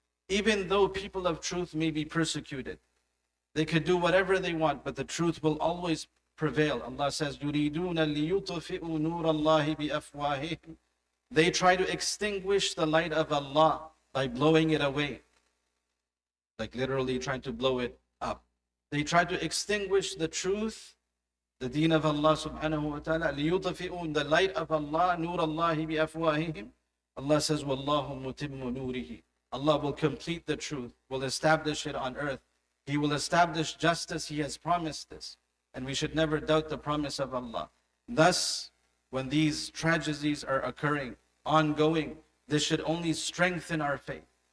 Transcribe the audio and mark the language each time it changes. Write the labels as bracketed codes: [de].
[en] Even though people of truth may be persecuted, they could do whatever they want, but the truth will always prevail. [ar] Allah says, يُرِيدُونَ لِيُطْفِئُوا نُورَ اللَّهِ بِأَفْوَاهِهِمْ. [en] They try to extinguish the light of Allah by blowing it away. Like literally trying to blow it up. They try to extinguish the truth, the deen of Allah subhanahu wa ta'ala, لِيُطْفِئُونَ the light of Allah, [ar] نُورَ اللَّهِ بِأَفْوَاهِهِمْ. Allah says, وَاللَّهُ مُتِمُّ نُورِهِ. [en] Allah will complete the truth, will establish it on earth. He will establish justice. He has promised this. And we should never doubt the promise of Allah. Thus, when these tragedies are occurring, ongoing, this should only strengthen our faith.